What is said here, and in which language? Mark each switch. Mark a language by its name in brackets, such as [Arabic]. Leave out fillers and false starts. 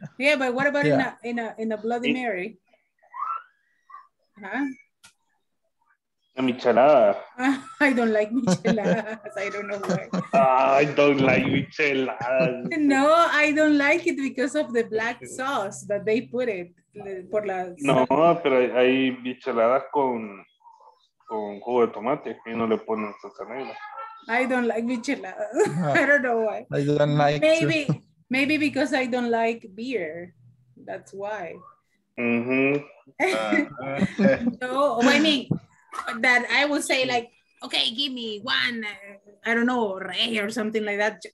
[English] Yeah, but what about in a Bloody Mary? Huh? A michelada. I don't like micheladas. I don't know why. I don't like micheladas. No, I don't like it because of the black sauce that they put it. [Spanish] Por la... No, pero hay micheladas con jugo de tomate y no le ponen salsa negra. [English] I don't like micheladas. I don't know why. I don't like maybe too. Maybe because I don't like beer. That's why. Mm-hmm. No, I mean that I would say like, okay, give me one, I don't know, Rey or something like that.